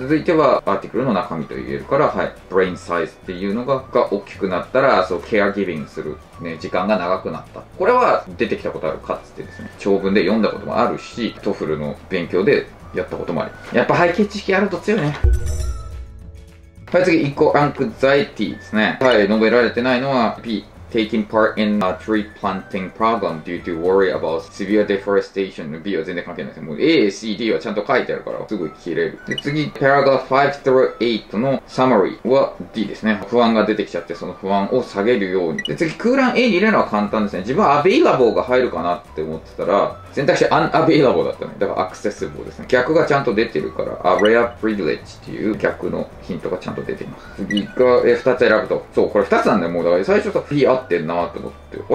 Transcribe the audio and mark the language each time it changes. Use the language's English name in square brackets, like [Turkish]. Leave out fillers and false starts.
[Japanese] 続いてはアーティクルの中身と言えるから、はい Brain size っていうのが大きくなったらそうケアギビングするね、時間が長くなった、これは出てきたことあるかっつってですね、長文で読んだこともあるし TOEFL の勉強でやったこともある、やっぱ背景知識あると強いね。はい、次、イコアンクザイティですね。はい、述べられてないのは P。 [English] Taking part in a tree planting problem due to worry about severe deforestation。 [Japanese] B は全然関係ないです。A、C、D はちゃんと書いてあるから、すぐ切れる。で、次、 paragraph 5 through 8 の summary は D ですね。不安が出てきちゃって、その不安を下げるように。で、次、空欄 A に入れるのは簡単ですね。自分は available が入るかなって思ってたら、選択肢 unavailable だったね。だから accessible ですね。逆がちゃんと出てるから、 a rare privilege っていう逆のヒントがちゃんと出ています。次が、2つ選ぶと。そう、これ2つなんだよ、もう。だから最初さ、B 合ってんなーって思って。